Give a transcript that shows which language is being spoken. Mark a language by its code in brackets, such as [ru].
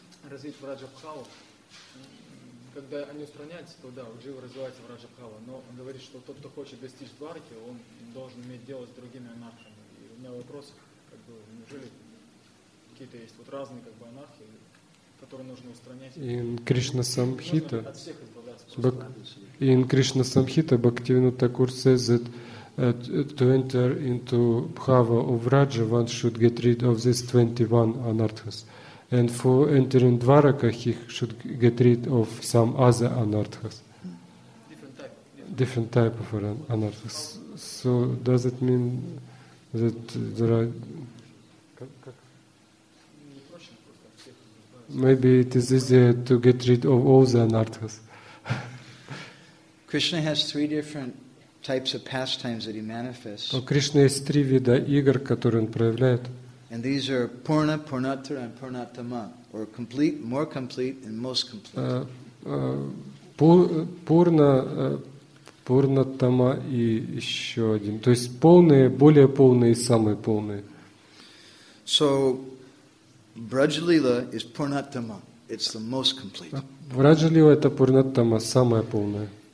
[ru] Развить враджабхаву, когда они устраняются, то да, у джива развивается враджабхава, но он говорит, что тот, кто хочет достичь дварки, он должен иметь дело с другими анархами. И у меня вопрос, как бы, неужели какие-то есть вот разные как бы анархи, которые нужно устранять? [en] In Krishna Samhita, [ru] от всех избавляться. [en] In Krishna Samhita, Bhaktivinoda Thakur says that to enter into bhava of raja, one should get rid of these 21 anarthas. And for entering Dvaraka, he should get rid of some other anarthas. Different type. Different type of anarthas. So does it mean that there are... Maybe it is easier to get rid of all the anarthas. Krishna has three different types of pastimes that he manifests. [ru] У Кришны есть три вида игр, которые он проявляет. [en] And these are Purna, Purnatara, and Purnatama, or complete, more complete, and most complete. [ru] Пурна, Пурнатама и еще один. То есть полные, более полные и самые полные. [en] So, Браджа-лила is Пурнатама. It's the most complete. [ru] Браджа-лила это Пурнатама, самая полная.